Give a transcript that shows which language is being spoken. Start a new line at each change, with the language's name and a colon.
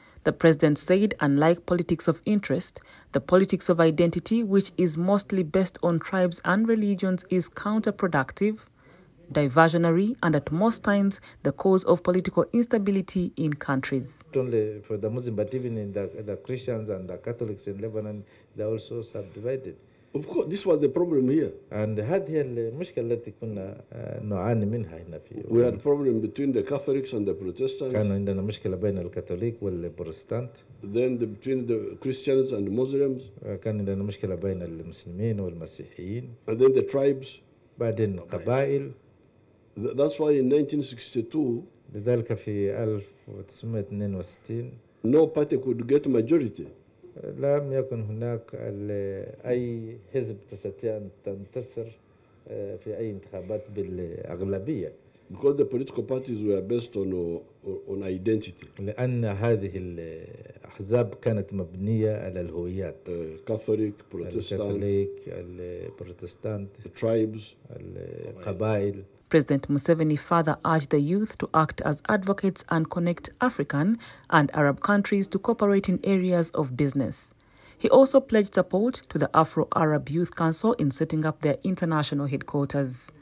English: The president said, unlike politics of interest, the politics of identity, which is mostly based on tribes and religions, is counterproductive, diversionary, and at most times the cause of political instability in countries. Not only for the Muslims, but even in the Christians and the Catholics in Lebanon, they're also subdivided. Of course, this was the problem here. And had here
Arabic: مشكلة تكون نعاني منها هنا في.
English: We had a problem between the Catholics and the Protestants.
Arabic: كان عندنا مشكلة بين الكاثوليك والبروتستانت.
English: Then between the Christians and the Muslims.
Arabic: كان عندنا مشكلة بين المسلمين والمسيحيين.
English: And then the tribes.
Arabic: بعدين قبائل.
English: That's why in 1962.
Arabic: لذلك في 1962.
English: No party could get majority.
Arabic: لم يكن هناك أي حزب تستطيع أن تنتصر في أي انتخابات بالأغلبية.
English: Because the political parties were based on identity.
Arabic: لأن هذه الأحزاب كانت مبنية على الهويات.
English: Catholic, Protestant.
Arabic: الكاثوليك, البروتستانت.
English: The tribes.
Arabic: القبائل.
English: President Museveni further urged the youth to act as advocates and connect African and Arab countries to cooperate in areas of business. He also pledged support to the Afro-Arab Youth Council in setting up their international headquarters.